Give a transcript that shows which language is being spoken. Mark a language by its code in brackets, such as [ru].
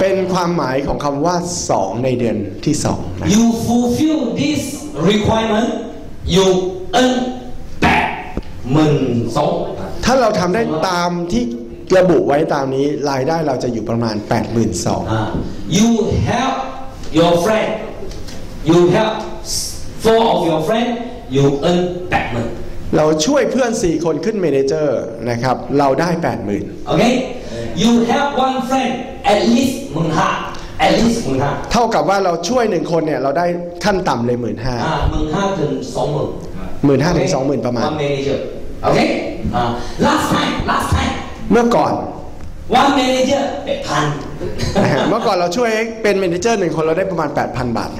[th] เป็นความหมายของคำว่า2ในเดือนที่2นะ [en] You fulfill this requirement you earn back 12 [th] ถ้าเราทำได้ตามที่ระบุไว้ตามนี้รายได้เราจะอยู่ประมาณ 82,000 [en] You help your friend you help four of your friend you earn 80,000 [th] เราช่วยเพื่อน4คนขึ้นเมเนเจอร์นะครับเราได้ 80,000 [en] โอเค You have one friend at least 15,000 at least 15,000 [th] เท่ากับว่าเราช่วย1คนเนี่ยเราได้ขั้นต่ำเลย 15,000 15,000 ถึง 20,000 15,000 ถึง 20,000 ประมาณ [en] One manager โอเค last time [th] เมื่อก่อน [en] One manager 8,000 [th] เมื่อก่อนเราช่วยเป็นเมเนเจอร์1คนเราได้ประมาณ 8,000 บาทคร